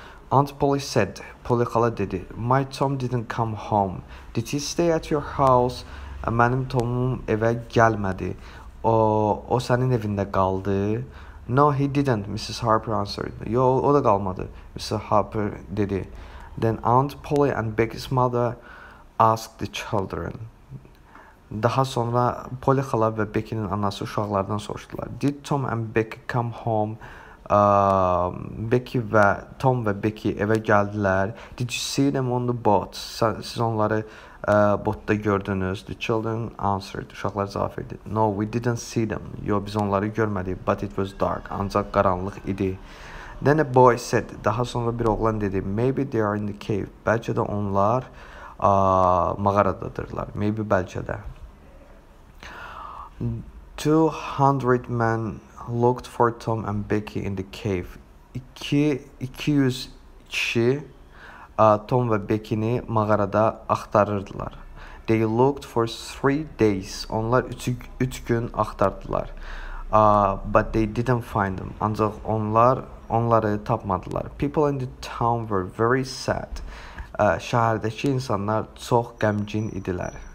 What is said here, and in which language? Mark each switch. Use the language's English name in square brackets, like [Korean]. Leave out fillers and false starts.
[English] Aunt Polly said, [Azerbaijani] Polly xala dedi, [English] My Tom didn't come home. Did he stay at your house? [Azerbaijani] Mənim Tomum evə gəlmədi. O sənin evində qaldı. [English] No, he didn't, Mrs. Harper answered. [Azerbaijani] Yo, o da qalmadı, Mrs. Harper dedi. [English] Then Aunt Polly and Becky's mother asked the children. [Azerbaijani] Daha sonra Polly xala və Becky'nin anası uşaqlardan soruşdular. [English] Did Tom and Becky come home? [Azerbaijani] Tom və Becky evə gəldilər. [English] Did you see them on the boat? [Azerbaijani] Siz onları botda gördünüz. [English] The children answered. [Azerbaijani] Uşaqlar cavab verdi. [English] No, we didn't see them. [Azerbaijani] Yo, biz onları görmədik. [English] But it was dark. [Azerbaijani] Ancaq qaranlıq idi. [English] Then a boy said. [Azerbaijani] Daha sonra bir oğlan dedi. [English] Maybe they are in the cave. [Azerbaijani] Bəlkə də onlar mağaradadırlar. [English] Maybe, [Azerbaijani] bəlkə də. [English] 200 men looked for Tom and Becky in the cave. [Azerbaijani] 200 kişi Tom və Becky'ni mağarada axtarırdılar. [English] They looked for 3 days. [Azerbaijani] Onlar 3 gün axtardılar. [English] But they didn't find them. [Azerbaijani] Ancaq onları tapmadılar. [English] People in the town were very sad. [Azerbaijani] Şəhərdəki insanlar çox qəmgin idilər.